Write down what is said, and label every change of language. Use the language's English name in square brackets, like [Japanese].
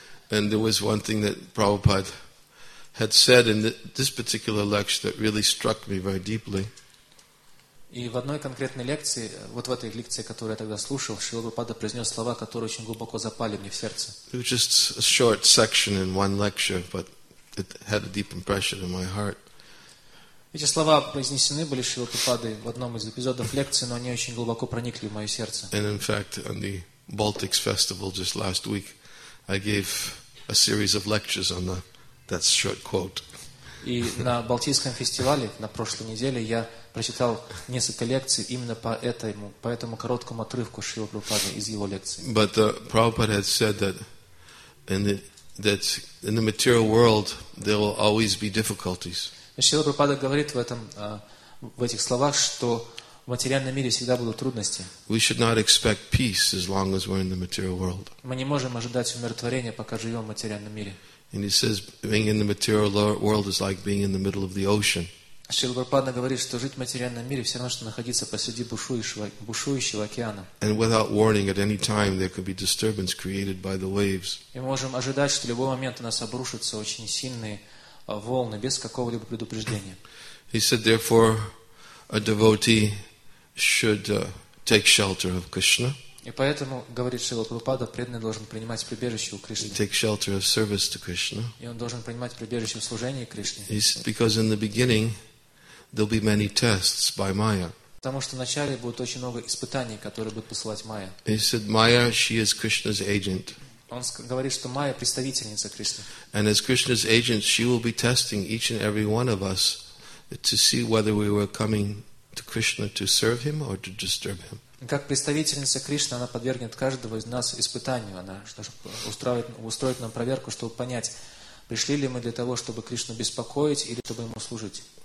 [English] And there was one thing that Prabhupada had said in this particular lecture that really struck me very deeply. [Russian] И в одной конкретной лекции, вот в этой лекции, которую я тогда слушал, Шрила Прабхупада произнес слова, которые очень глубоко запали мне в сердце. [English] It was just a short section in one lecture, but it had a deep impression in my heart. [Russian] Эти слова произнесены были Шрила Прабхупадой в одном из эпизодов лекции, но они очень глубоко проникли в мое сердце. [English] And in fact, on the Baltics Festival just last week, I gave a series of lectures on that short quote. [Russian] И на Балтийском фестивале на прошлой неделе я прочитал несколько лекций именно по этому короткому отрывку Шрилы Прабхупады из его лекции. [English] But Prabhupada had said that in the material world there will always be difficulties. [Russian] Шрила Прабхупада говорит в этих словах, что в материальном мире всегда будут трудности. [English] We should not expect peace as long as we're in the material world. [Russian] Мы не можем ожидать умиротворения, пока живем в материальном мире. [English] And he says, being in the material world is like being in the middle of the ocean. [Russian] Шрила Прабхупада говорит, что жить в материальном мире все равно, что находиться посреди бушующего океана. [English] And without warning, at any time, there could be disturbance created by the waves. [Russian] И мы можем ожидать, что в любой момент у нас обрушатся очень сильные волны, без какого-либо предупреждения. [English] He said, therefore, a devotee should take shelter of Krishna. [Russian] И поэтому, говорит Шрила Прабхупада, преданный должен принимать прибежище у Кришны. [English] Take shelter of service to Krishna. [Russian] И он должен принимать прибежище в служении Кришне. [English] Because in the beginning there'll be many tests by Maya. [Russian] Потому что вначале будет очень много испытаний, которые будут посылать Майя. [English] He said Maya, she is Krishna's agent. [Russian] Он говорит, что Майя представительница Кришны. [English] And as Krishna's agent, she will be testing each and every one of us to see whether we were coming to Krishna to serve him or to disturb him. [Russian] Как представительница Кришны, она подвергнет каждого из нас испытанию. Она устроит нам проверку, чтобы понять, пришли ли мы для того, чтобы Кришну беспокоить или чтобы ему служить.